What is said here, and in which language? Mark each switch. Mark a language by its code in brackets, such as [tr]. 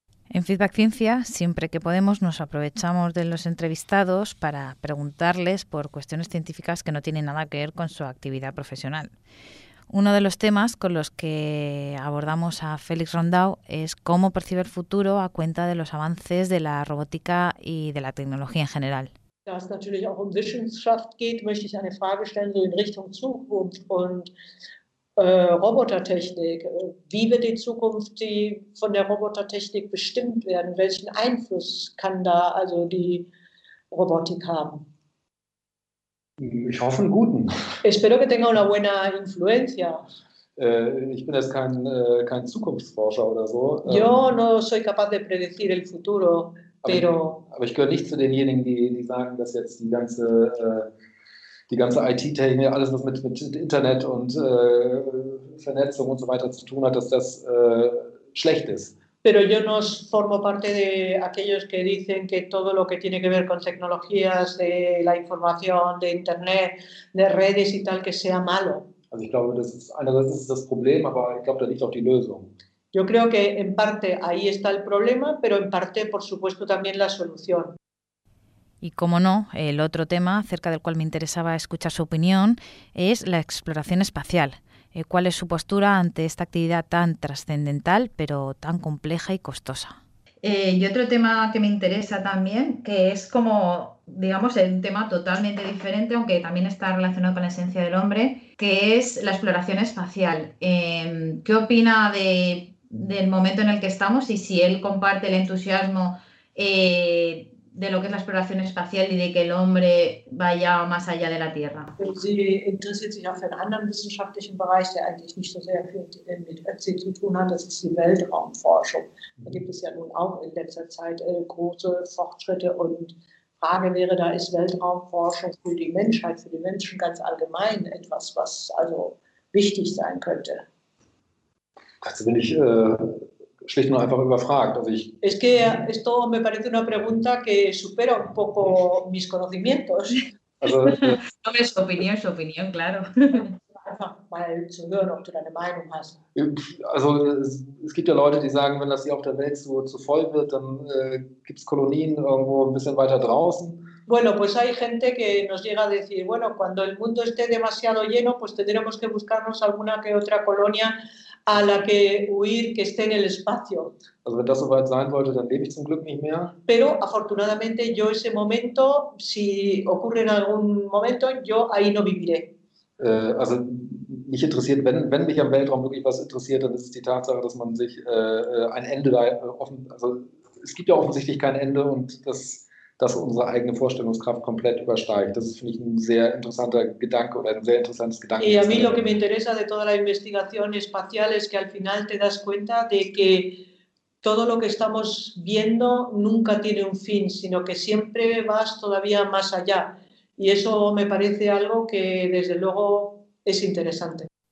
[es] En Feedback Ciencia, siempre que podemos, nos aprovechamos de los entrevistados para preguntarles por cuestiones científicas que no tienen nada que ver con su actividad profesional. Uno de los temas con los que abordamos a Félix Rondau es cómo percibe el futuro a cuenta de los avances de la robótica y de la tecnología en general. [de] Da es natürlich auch um Wissenschaft geht, möchte ich eine Frage stellen so in Richtung Zukunft und Robotertechnik. Wie wird die Zukunft die von der Robotertechnik bestimmt werden? Welchen Einfluss kann da also die Robotik haben? Ich hoffe einen guten. [es] Espero que tenga una buena influencia. [de] Ich bin jetzt kein Zukunftsforscher oder so. [es] Yo no soy capaz de predecir el futuro, pero. [de] Aber ich gehöre nicht zu denjenigen, die sagen, dass jetzt die ganze IT-Technik, alles was mit Internet und Vernetzung und so weiter zu tun hat, dass das schlecht ist. [es] Pero yo no formo parte de aquellos que dicen que todo lo que tiene que ver con tecnologías, de la información, de Internet, de redes y tal, que sea malo. [de] Also ich glaube, das ist einerseits das Problem, aber ich glaube, da liegt auch die Lösung. [es] Yo creo que en parte ahí está el problema, pero en parte, por supuesto, también la solución. Y como no, el otro tema acerca del cual me interesaba escuchar su opinión es la exploración espacial. ¿Cuál es su postura ante esta actividad tan trascendental, pero tan compleja y costosa? Y otro tema que me interesa también, que es como, digamos, un tema totalmente diferente, aunque también está relacionado con la esencia del hombre, que es la exploración espacial. ¿Qué opina del momento en el que estamos y si él comparte el entusiasmo de lo que es la exploración espacial y de que el hombre vaya más allá de la Tierra? [de] Sie interessiert sich auch für einen anderen wissenschaftlichen Bereich, der eigentlich nicht so sehr viel mit ÖPSI zu tun hat, das ist die Weltraumforschung. Da gibt es ja nun auch in letzter Zeit große Fortschritte und Frage wäre, da ist Weltraumforschung für die Menschheit, für die Menschen ganz allgemein etwas, was also wichtig sein könnte. Also bin ich schlicht nur einfach überfragt. Also ich, [es] es que esto me parece una pregunta que supera un poco mis conocimientos. [de] Also, [es] no, es su opinión, claro. [de] Einfach mal zu hören, ob du deine Meinung hast. Also es gibt ja Leute, die sagen, wenn das hier auf der Welt zu voll wird, dann gibt es Kolonien irgendwo ein bisschen weiter draußen. [es] Bueno, pues hay gente que nos llega a decir, bueno, cuando el mundo esté demasiado lleno, pues tendremos que buscarnos alguna que otra colonia a la que huir, que esté en el espacio. [de] Also, wenn das soweit sein sollte, dann lebe ich zum Glück nicht mehr. [es] Pero afortunadamente yo ese momento, si ocurre en algún momento, yo ahí no viviré. [de] Also mich interessiert, wenn mich am Weltraum wirklich was interessiert, dann ist es die Tatsache, dass man sich ein Ende da offen, also es gibt ja offensichtlich kein Ende und dass unsere eigene Vorstellungskraft komplett übersteigt. Das ist, finde ich, ein sehr interessanter Gedanke oder ein sehr interessantes Gedanke. [es] Y a mí lo que me interesa de toda la investigación espacial es que al final te das cuenta de que todo lo que estamos viendo nunca tiene un fin, sino que siempre vas todavía más allá. Y eso me parece algo que, desde luego, es interesante.